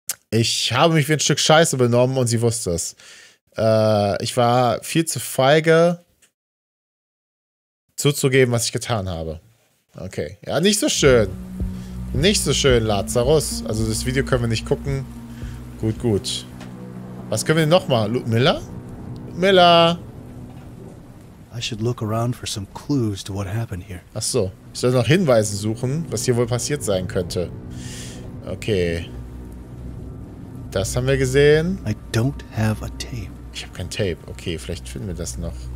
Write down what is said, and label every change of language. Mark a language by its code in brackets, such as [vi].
[de] Ich habe mich wie ein Stück Scheiße benommen und sie wusste es. Ich war viel zu feige, zuzugeben, was ich getan habe. Okay. Ja, nicht so schön. Nicht so schön, Lazarus. Also das Video können wir nicht gucken. Gut, gut. Was können wir denn nochmal? Ludmilla? Ludmilla! [en] I should look around for some clues to what happened here. [de] Ach so. Ich soll noch Hinweise suchen, was hier wohl passiert sein könnte. Okay. Das haben wir gesehen. [en] I don't have a tape. [de] Ich habe kein Tape. Okay, vielleicht finden wir das noch.